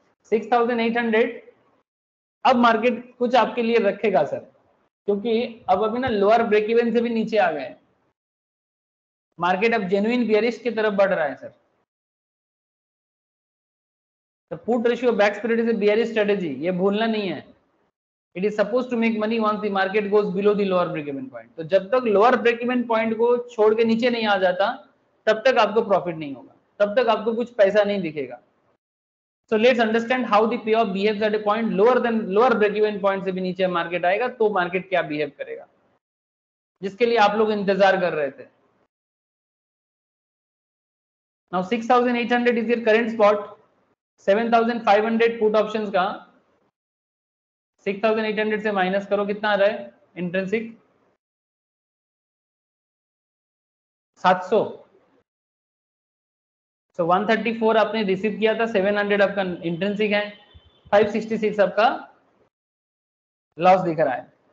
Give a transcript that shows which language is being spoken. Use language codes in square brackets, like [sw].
[hi] 6800 अब मार्केट कुछ आपके लिए रखेगा सर, क्योंकि अब अभी ना लोअर ब्रेक इवन से भी नीचे आ गए, मार्केट अब जेन्युइन बेयरिश की तरफ बढ़ रहा है सर, तो put ratio back spread is a bearish strategy, ये भूलना नहीं है, it is suppose to make money once the market goes below the lower break even point. तो जब तक लोअर ब्रेक इवन पॉइंट को छोड़ के नीचे नहीं आ जाता तब तक आपको प्रॉफिट नहीं होगा, तब तक आपको कुछ पैसा नहीं दिखेगा, So let's understand how the payoff behaves at a point lower than lower break-even point से भी नीचे market आएगा तो market क्या behave करेगा जिसके लिए आप लोग इंतजार कर रहे थे. [en] Now 6,800 is your current spot. [hi] 7,500 put options का 6,800 से माइनस करो कितना आ रहा है इंट्रेंसिक 700. So 134 आपने रिसीव किया था 700 आपका इंट्रेंसिक है 566 आपका लॉस दिख रहा है.